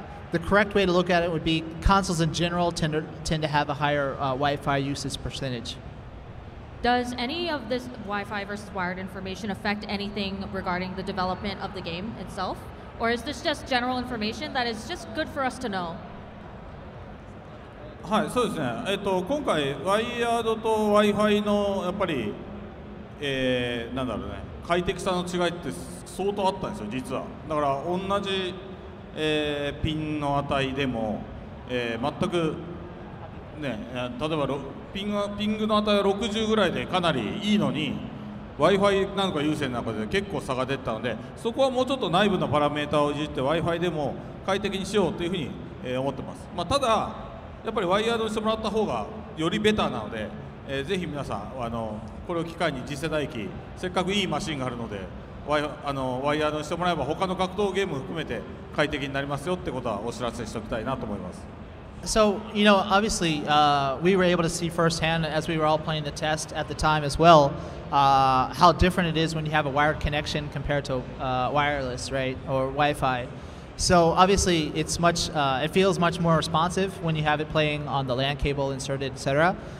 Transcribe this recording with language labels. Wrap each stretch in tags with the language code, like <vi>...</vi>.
<en>The correct way to look at it would be consoles in general tend to have a higher Wi-Fi usage percentage. Does any of this Wi-Fi versus wired information affect anything regarding the development of the game itself? Or is this just general information that is just good for us to know?</en> <ja>はい、そうですね。今回ワイヤードと Wi-Fi のやっぱり、なんだろうね、快適さの違いって相当あったんですよ、実は。だから同じ、ピンの値でも、全くね、例えばピングの値は60ぐらいでかなりいいのに、Wi-Fi なのか有線なのかで結構差が出たので、そこはもうちょっと内部のパラメータをいじって Wi-Fi でも快適にしようというふうに思ってます。まあ、ただやっぱりワイヤードしてもらった方がよりベターなので、ぜひ皆さんこれを機会に次世代機、せっかくいいマシンがあるのでワイヤードしてもらえば他の格闘ゲーム含めて快適になりますよってことはお知らせしておきたいなと思います。</ja> <en>So, you know, obviously, we were able to see firsthand as we were all playing the test at the time as well, how different it is when you have a wired connection compared to wireless, right, or Wi-Fi. So, obviously, it's much, it feels much more responsive when you have it playing on the LAN cable inserted, etc.</en>